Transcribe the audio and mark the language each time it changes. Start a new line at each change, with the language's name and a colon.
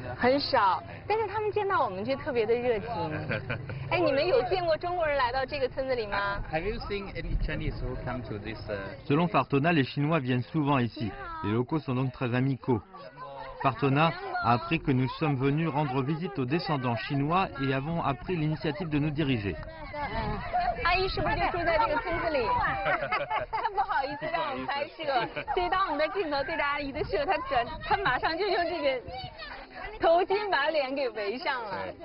Chinese: 很少，但是他们见到我们就特别的热情。哎，你们有见过中国人来到这个村子里吗？
English: Have you seen any Chinese who come to this?
French: selon Fartona, les Chinois viennent souvent ici. Les locaux sont donc très amicaux. Fartona a appris que nous sommes venus rendre visite aux descendants chinois et avons appris l'initiative de nous diriger.
Chinese: 阿姨是不是就住在这个村子里？太不好意思让我们拍摄，所以当我们的镜头对着阿姨的时候，她马上就用这个头巾把脸给围上了。